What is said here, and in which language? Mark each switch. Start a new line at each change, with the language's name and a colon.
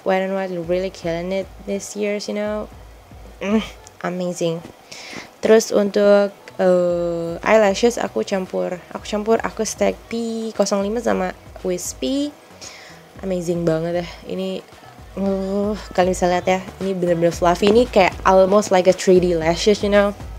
English: Wet n Wild really killing it this year, you know. Amazing.
Indonesian: Terus untuk eyelashes aku stack P05 sama Wispy. Amazing banget deh ini. Kalian bisa lihat ya, ini benar-benar fluffy. Ini kayak
English: almost like a 3D lashes, you know.